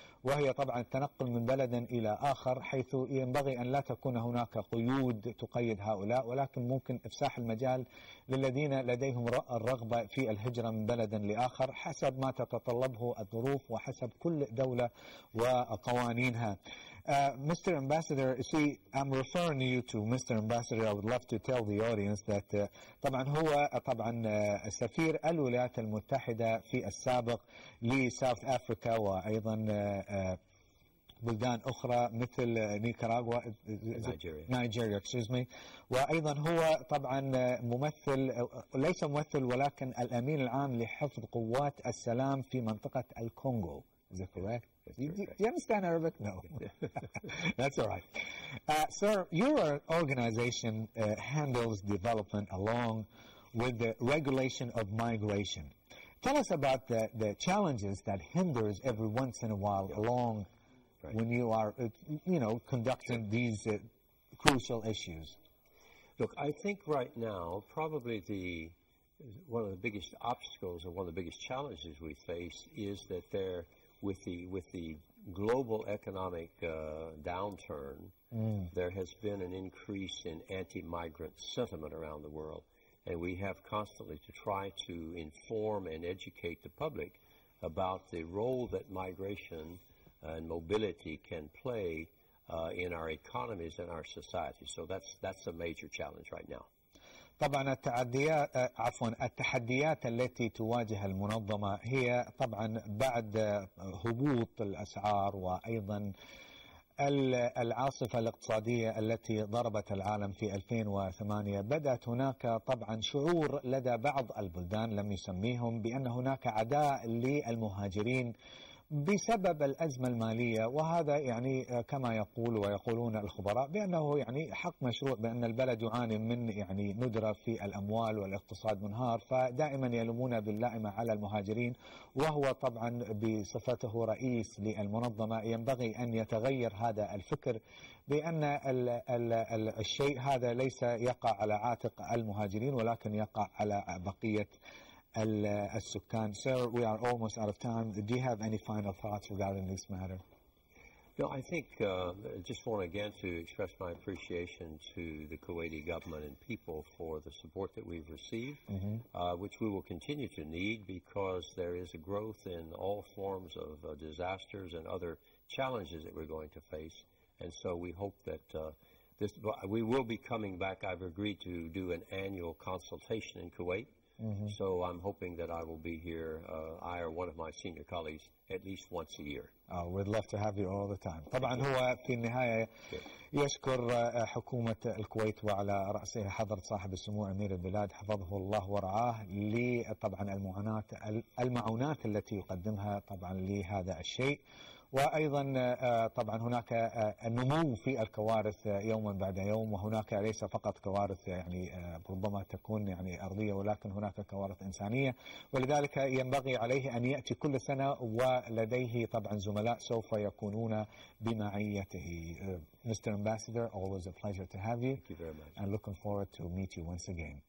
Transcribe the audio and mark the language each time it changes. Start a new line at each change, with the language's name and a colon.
Arabic: وهي طبعا التنقل من بلد إلى آخر حيث ينبغي أن لا تكون هناك قيود تقيد هؤلاء ولكن ممكن إفساح المجال للذين لديهم الرغبة في الهجرة من بلد لآخر حسب ما تتطلبه الظروف وحسب كل دولة وقوانينها.
English: Mr. Ambassador, see, I'm referring you to Mr. Ambassador. I would love to tell the audience that
Arabic: طبعا هو طبعا سفير الولايات المتحدة في السابق لساوث أفريقيا وأيضا بلدان أخرى مثل نيكاراغوا نيجيريا وأيضا هو طبعا ممثل ليس ممثل ولكن الأمين العام لحفظ قوات السلام في منطقة الكونغو
English: is that correct? Do you understand Arabic? No. That's all right. Sir, your organization handles development along with the regulation of migration. Tell us about the challenges that hinders every once in a while along when you are, conducting these crucial issues. Look, I think right now probably one of the biggest obstacles or one of the biggest challenges we face is that there with the global economic downturn, there has been an increase in anti-migrant sentiment around the world. And we have constantly to try to inform and educate the public about the role that migration and mobility can play in our economies and our society. So that's a major challenge right now.
Arabic: طبعا التعديات عفوا التحديات التي تواجه المنظمة هي طبعا بعد هبوط الأسعار وأيضا العاصفة الاقتصادية التي ضربت العالم في 2008، بدأت هناك طبعا شعور لدى بعض البلدان لم يسميهم بأن هناك عداء للمهاجرين بسبب الأزمة المالية، وهذا يعني كما يقول ويقولون الخبراء بأنه يعني حق مشروع بأن البلد يعاني من يعني ندرة في الأموال والاقتصاد منهار، فدائما يلومون باللائمة على المهاجرين، وهو طبعا بصفته رئيس للمنظمة ينبغي أن يتغير هذا الفكر بأن الشيء هذا ليس يقع على عاتق المهاجرين ولكن يقع على بقية السكان.
English: Sir, we are almost out of time. Do you have any final thoughts regarding this matter? No, I think I just want again to express my appreciation to the Kuwaiti government and people for the support that we've received, which we will continue to need because there is a growth in all forms of disasters and other challenges that we're going to face. And so we hope that we will be coming back. I've agreed to do an annual consultation in Kuwait. Mm-hmm. So I'm hoping that I will be here, I or one of my senior colleagues, at least once a year. Oh, we'd love to have you all the time.
Arabic: طبعا هو في النهاية يشكر حكومة الكويت وعلى رأسها حضرة صاحب السمو أمير البلاد حفظه الله ورعاه لطبعا المعونات التي يقدمها طبعا لهذا الشيء. وأيضا طبعا هناك النمو في الكوارث يوما بعد يوم، وهناك ليس فقط كوارث يعني ربما تكون يعني أرضية ولكن هناك كوارث إنسانية، ولذلك ينبغي عليه أن يأتي كل سنة ولديه طبعا زملاء سوف يكونون بمعيته.
English: Mr. Ambassador, always a pleasure to have you. Thank you very much. And looking forward to meet you once again.